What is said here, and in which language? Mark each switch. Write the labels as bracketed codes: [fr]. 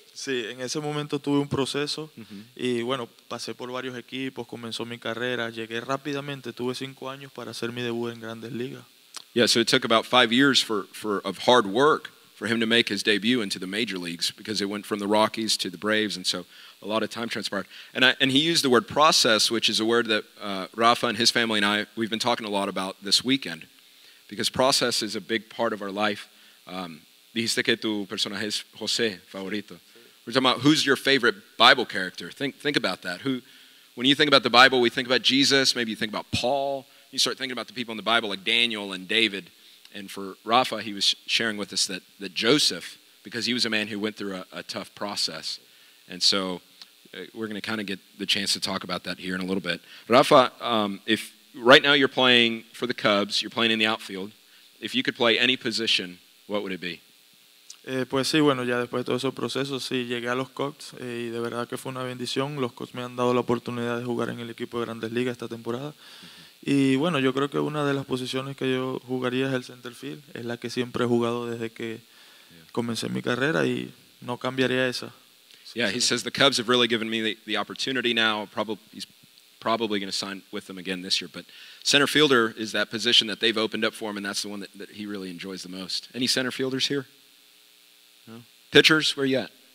[es] Sí, en ese momento tuve un proceso, y bueno, pasé por varios equipos, comenzó mi carrera, llegué rápidamente, tuve 5 años para hacer mi debut en Grandes Ligas. [en] Yeah, so it took about 5 years of hard work for him to make his debut into the major leagues, because it went from the Rockies to the Braves, and so a lot of time transpired. And he used the word process, which is a word that Rafa and his family and I, we've been talking a lot about this weekend, because process is a big part of our life. [es] Dijiste que tu personaje es José favorito. [en] We're talking about who's your favorite Bible character. Think about that. Who, when you think about the Bible, we think about Jesus, maybe you think about Paul. You start thinking about the people in the Bible like Daniel and David. And for Rafa, he was sharing with us that Joseph, because he was a man who went through a tough process. And so we're going to kind of get the chance to talk about that here in a little bit. Rafa, if right now you're playing for the Cubs, you're playing in the outfield. If you could play any position, what would it be? [es] Pues sí, bueno, ya después de todo ese proceso, sí, llegué a los Cubs. Y de verdad que fue una bendición. Los Cubs me han dado la oportunidad de jugar en el equipo de Grandes Ligas esta temporada. Y bueno, yo creo que una de las posiciones que yo jugaría es el center field. Es la que siempre he jugado desde que comencé mi carrera y no cambiaría esa. [en] Yeah, he says the Cubs have really given me the opportunity now. He's probably going to sign with them again this year. But center fielder is that position that they've opened up for him, and that's the one that he really enjoys the most. Any center fielders here? No. Pitchers, where you at?